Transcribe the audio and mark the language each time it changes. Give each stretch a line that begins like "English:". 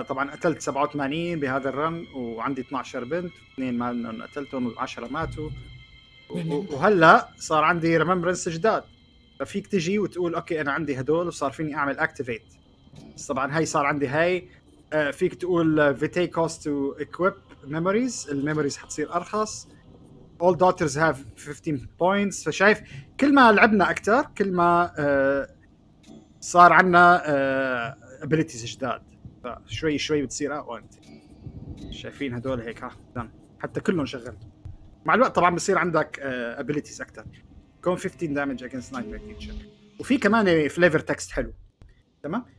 Arabic: طبعا قتلت 87 بهذا الرن، وعندي 12 بنت، 2 ما قتلتهم، 10 ماتوا. وهلا صار عندي remembrance جداد. ففيك تجي وتقول اوكي انا عندي هدول وصار فيني اعمل activate. طبعا هاي صار عندي هاي. فيك تقول
English: vitae cost to equip memories،
Arabic: الميموريز حتصير ارخص.
English: All daughters have 15 points.
Arabic: فشايف كل ما لعبنا اكثر كل ما صار عندنا abilities جداد، فشوي شوي بتصير اقوى. انت شايفين هدول هيك حتى كلهم شغلت مع الوقت، طبعا بصير عندك abilities اكثر. كون 15
English: damage against nightmare creature،
Arabic: وفي كمان flavor text حلو تمام.